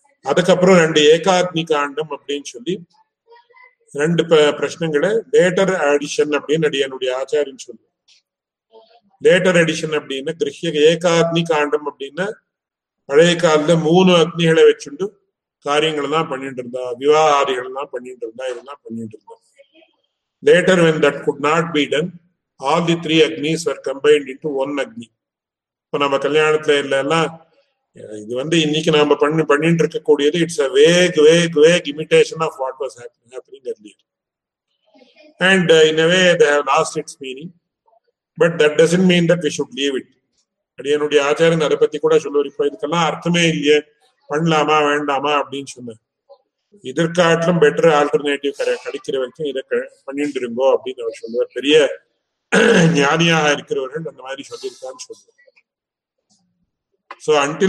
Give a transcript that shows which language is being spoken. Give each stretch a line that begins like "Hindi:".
Tamil: அதுக்கப்புறம் 2 ஏகாத்மி காண்டம் அப்படின்னு சொல்லி 2 பிரச்சனைகளை லேட்டர் அடிஷன் அப்படின்னு என்னுடைய ஆச்சாரியம் சொல்லு. லேட்டர் அடிஷன் அப்படின்னா கிரகிய ஏகாத்மி காண்டம் அப்படின்னா, பழைய காலத்துல 3 அக்னிகளை வச்சுண்டு காரியங்கள் எல்லாம் பண்ணிட்டு இருந்தா, விவாகாதிகள் எல்லாம் பண்ணிட்டு இருந்தா, இதெல்லாம் பண்ணிட்டு இருந்தா.
English: Later, when that could not be done, all the 3 Agnis were combined into 1 Agni.
Tamil: இப்போ நம்ம கல்யாணத்துல இல்லைன்னா இது வந்து இன்னைக்கு நாம பண்ணிட்டு இருக்கக்கூடியது,
English: It's a vague vague vague imitation of what was happening earlier. And in a way, they have lost its meaning. But that doesn't mean that we should leave it.
Tamil: அடியனுடைய ஆச்சாரியன் அதை பத்தி கூட சொல்லுவார், இப்போ இதுக்கெல்லாம் அர்த்தமே இல்லையே, பண்ணலாமா வேண்டாமா அப்படின்னு சொன்ன, இதற்காட்டிலும்
English: better alternative
Tamil: கிடைக்கிற வரைக்கும் இதை பண்ணிட்டு இருங்கோ அப்படின்னு அவர் சொல்லுவார். பெரிய ஞானியாக இருக்கிறவர்கள் அந்த மாதிரி சொல்லியிருக்கான்னு சொல்லுவார்.